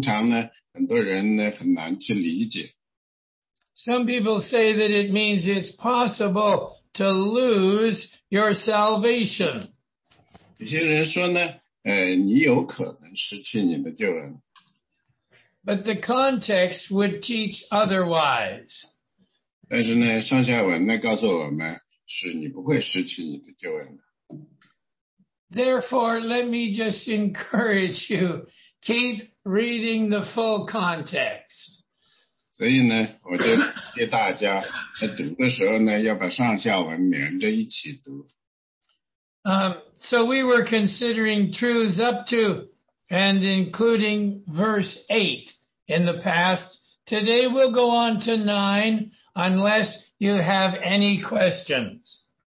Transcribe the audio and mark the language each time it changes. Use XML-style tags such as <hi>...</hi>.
<zh>因为我们呢，花了很多时间来在学习希伯来书第六章，因为这一章呢，通常呢，很多人呢很难去理解。</zh> <en>Some people say that it means it's possible to lose your salvation.</en> <zh>有些人说呢，你有可能失去你的救恩。</zh> <en>But the context would teach otherwise.</en> <zh>但是呢，上下文呢告诉我们，是你不会失去你的救恩的。</zh> <en>Therefore, let me just encourage you, keep reading the full context.</en> <zh>所以呢，我就给大家在读的时候呢，要把上下文连着一起读。</zh> <en>So we were considering truths up to and including verse 8 in the past. Today we'll go on to 9, unless you have any questions.</en>